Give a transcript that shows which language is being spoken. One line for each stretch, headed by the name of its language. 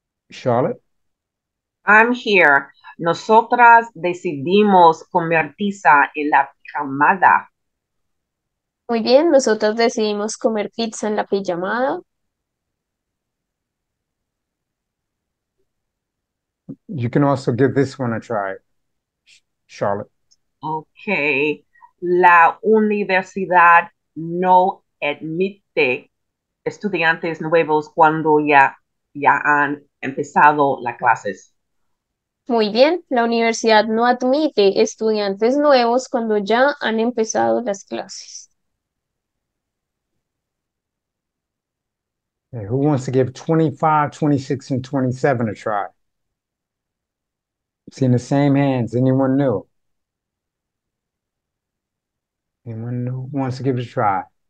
English: Charlotte? I'm here.
Spanish: Nosotras decidimos comer pizza en la pijamada. Muy bien, nosotras decidimos comer pizza en la pijamada.
English: You can also give this one a try, Charlotte. Okay.
Spanish: La universidad no admite estudiantes nuevos cuando ya han empezado las clases. Muy bien. La universidad no admite estudiantes nuevos cuando ya han empezado las clases.
English: Okay, who wants to give 25, 26, and 27 a try? Seeing the same hands. Anyone new? Anyone who wants to give it a try?